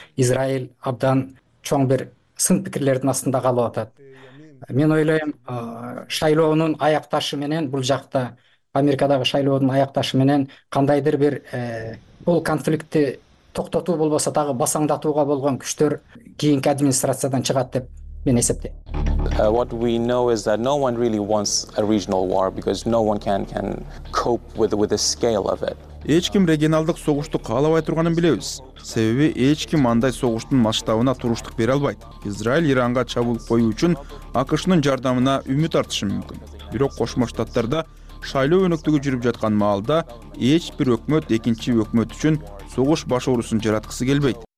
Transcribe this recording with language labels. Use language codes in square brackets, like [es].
[ky] Израиль абдан чоң бир сын пикирлердин астында калып атат. Мен ойлойм, шайлоонун аякташы менен бул жакта Америкадагы шайлоонун аякташы менен кандайдыр бир бул конфликтти токтотуу болбосо дагы басаңдатууга болгон күчтөр кийинки администрациядан чыгат деп мен эсептейм. [en] What we know is that no one really wants a regional war because no one can cope with the scale of it. [ky] Эч ким регионалдык согушту каалабай турганын билебиз. Себеби эч ким андай согуштун масштабына туруштук бере албайт. Израиль Иранга чабуул коюу үчүн АКШнын жардамына үмүт артышы мүмкүн. Бирок Кошмо Штаттарда шайлоо өнөктүгү жүрүп жаткан маалда эч бир өкмөт экинчи өкмөт үчүн согуш башоорусун жараткысы келбейт.